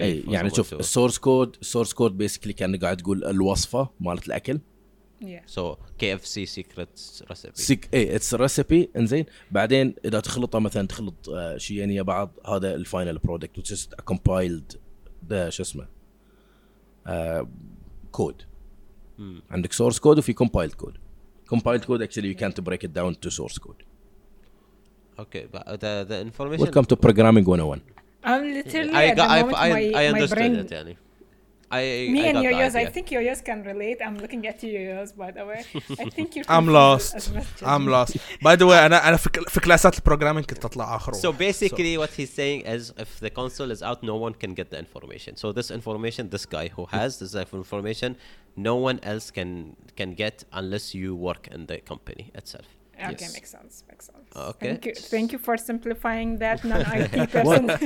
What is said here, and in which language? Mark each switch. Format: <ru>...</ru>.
<ar>Hey, يعني شوف source code basically كان قاعد تقول الوصفة مالت الأكل.</ar> <en>Yeah. So KFC secret recipe. It's a recipe.</en> <ar>إنزين. بعدين إذا تخلطها مثلاً تخلط شيئين يعني بعض هذا</ar> <en>the final product which is a compiled the</en> <ar>شو اسمه code.</ar> <en>And the source code, if you compiled code, actually you can't break it down to source code. Okay, but the information. Welcome to programming 101. I'm literally I understood it. Yani. Me and Yoyos, I think Yoyos can relate. I'm looking at you, Yoyos, by the way. I think you're. I'm lost. By the way,</en> <ar>أنا في كلاسات البروغرامينج كنت أطلع آخر.</ar> <en>So basically, what he's saying is, if the console is out, no one can get the information. So this information, this guy who has this information, no one else can get unless you work in the company itself. Okay, yes. Makes sense. Okay. Thank you for simplifying that, non-IT person.</en>